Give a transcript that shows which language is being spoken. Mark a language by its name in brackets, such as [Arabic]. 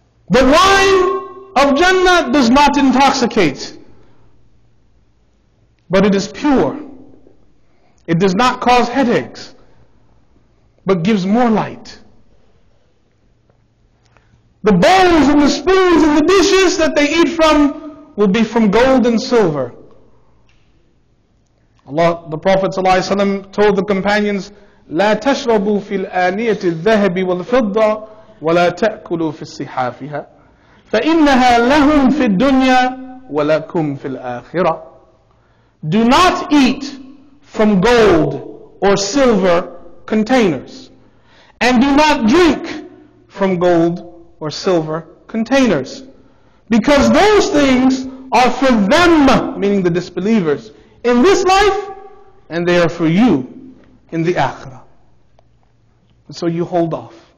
[English] The wine of Jannah does not intoxicate, but it is pure. It does not cause headaches, but gives more light. The bowls and the spoons and the dishes that they eat from will be from gold and silver. Allah, the Prophet ﷺ told the companions, [Arabic] لا تشربوا في الآنية الذهب والفضة ولا تأكلوا في السحافها فإنها لهم في الدنيا ولكم في الآخرة. [English] Do not eat from gold or silver containers, and do not drink from gold or silver containers, because those things are for them, meaning the disbelievers, in this life, and they are for you in the akhirah. And so you hold off.